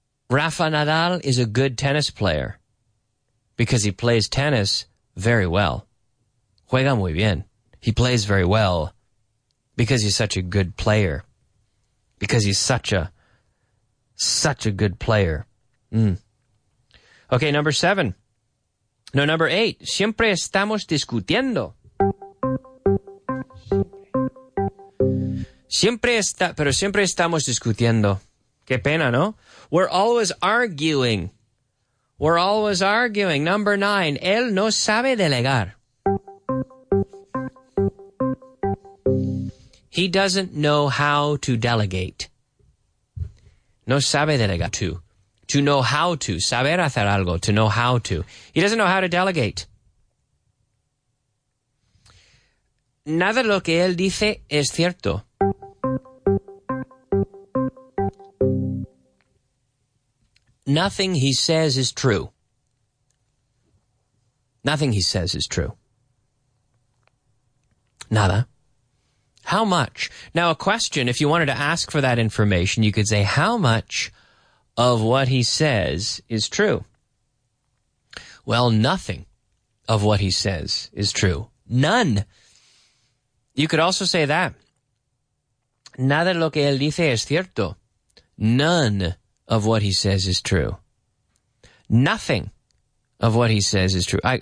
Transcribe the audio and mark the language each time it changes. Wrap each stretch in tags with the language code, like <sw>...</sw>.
<en>Rafa Nadal is a good tennis player because he plays tennis very well.</en> <es>Juega muy bien.</es> <en>He plays very well because he's such a good player. Because he's such a good player. Mm. Okay, number seven. No, number eight.</en> <es>Siempre estamos discutiendo. Siempre estamos discutiendo. Qué pena, ¿no?</es> <en>We're always arguing. We're always arguing. Number nine.</en> <es>Él no sabe delegar.</es> <en>He doesn't know how to delegate.</en> <es>No sabe delegar.</es> <en>To know how to.</en> <es>Saber hacer algo.</es> <en>To know how to. He doesn't know how to delegate.</en> <es>Nada lo que él dice es cierto.</es> <en>Nothing he says is true. Nothing he says is true. Nada. How much? Now, a question, if you wanted to ask for that information, you could say, how much of what he says is true? Well, nothing of what he says is true. None. You could also say that.</en> <es>Nada lo que él dice es cierto.</es> <en>None of what he says is true. Nothing of what he says is true.</en>